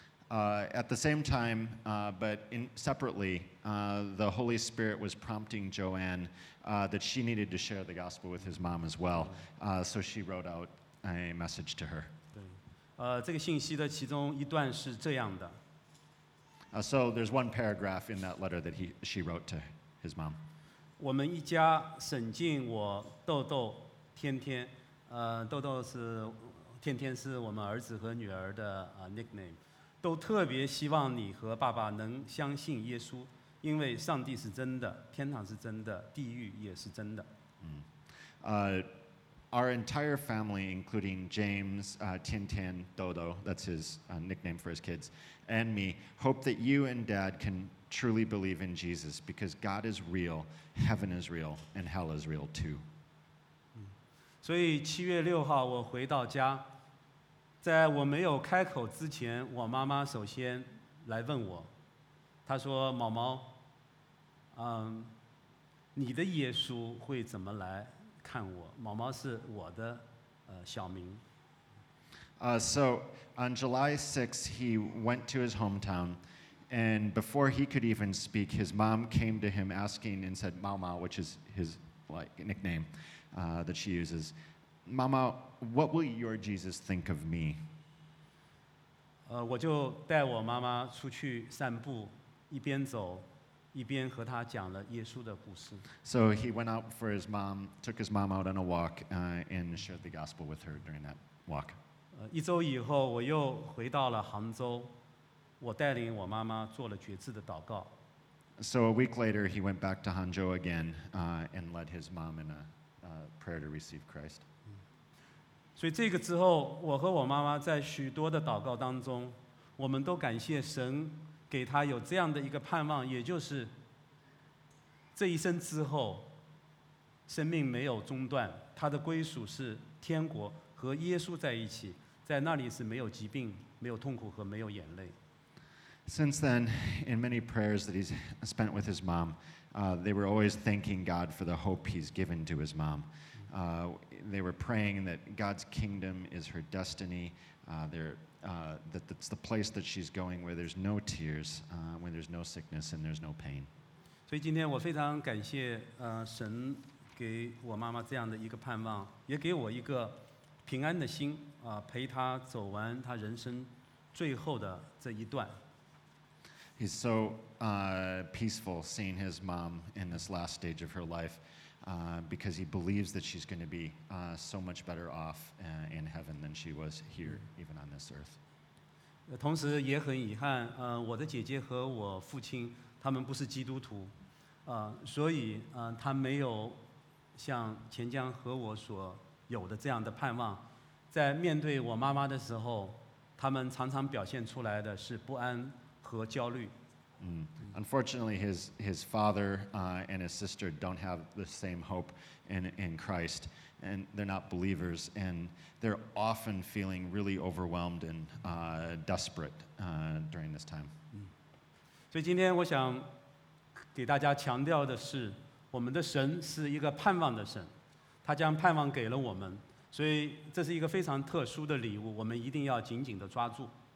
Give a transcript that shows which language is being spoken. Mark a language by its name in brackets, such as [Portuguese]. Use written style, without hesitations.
[English] At the same time, but in separately, the Holy Spirit was prompting Joanne that she needed to share the gospel with his mom as well. So she wrote out a message to her. [Chinese] 这个信息的其中一段是这样的。 [English] So there's one paragraph in that letter that she wrote to his mom. [Chinese] 我们一家沈静我豆豆天天，豆豆是天天是我们儿子和女儿的nickname。都特别希望你和爸爸能相信耶稣，因为上帝是真的，天堂是真的，地狱也是真的。 [English] Our entire family, including James, Tintin, Dodo, that's his nickname for his kids, and me, hope that you and Dad can truly believe in Jesus, because God is real, heaven is real, and hell is real too. [Chinese] 所以七月六号我回到家，在我没有开口之前，我妈妈首先来问我，她说：“毛毛，你的耶稣会怎么来看我？” 毛毛是我的小名。 [English] So on July 6th, he went to his hometown, and before he could even speak, his mom came to him asking and said, "Mao Mao," which is his like nickname that she uses. Mama, what will your Jesus think of me? [Chinese] 我就带我妈妈出去散步，一边走，一边和她讲了耶稣的故事。 [English] So he went out for his mom, took his mom out on a walk, and shared the gospel with her during that walk. [Chinese] 一周以后，我又回到了杭州，我带领我妈妈做了决志的祷告。 [English] So a week later, he went back to Hangzhou again, and led his mom in a prayer to receive Christ. [Chinese] 所以这个之后，我和我妈妈在许多的祷告当中，我们都感谢神给她有这样的一个盼望，也就是这一生之后，生命没有中断，她的归属是天国和耶稣在一起，在那里是没有疾病、没有痛苦和没有眼泪。 [English] Since then, in many prayers that he's spent with his mom, they were always thanking God for the hope he's given to his mom. They were praying that God's kingdom is her destiny, that's the place that she's going where there's no tears, where there's no sickness and there's no pain. So today, [Chinese] 我非常感谢神给我妈妈这样的一个盼望，也给我一个平安的心，陪她走完她人生最后的这一段。 [English] He's so peaceful seeing his mom in this last stage of her life because he believes that she's going to be so much better off in heaven than she was here, even on this earth. [Chinese] 同时也很遗憾，我的姐姐和我父亲他们不是基督徒，所以他没有像钱江和我所有的这样的盼望。在面对我妈妈的时候，他们常常表现出来的是不安和焦虑。 [English] Unfortunately, his father and his sister don't have the same hope in Christ, and they're not believers, and they're often feeling really overwhelmed and desperate during this time. [Chinese] 所以今天我想给大家强调的是，我们的神是一个盼望的神，他将盼望给了我们，所以这是一个非常特殊的礼物，我们一定要紧紧的抓住。